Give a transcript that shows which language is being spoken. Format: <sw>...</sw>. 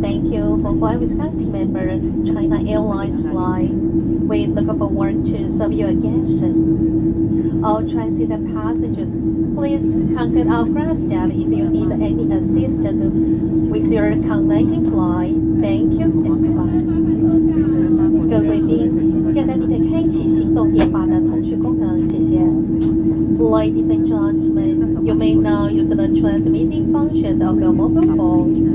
<en>Thank you for flying with us, member China Airlines flight. We look forward to serve you again soon. All transit passengers, please contact our ground staff if you need any assistance with your connecting flight. Thank you and goodbye.</en> <zh>各位宾，现在您的开启行动电话的通讯功能，谢谢。</zh> <en>Ladies and gentlemen, you may now use the transmitting functions of your mobile phone.</en>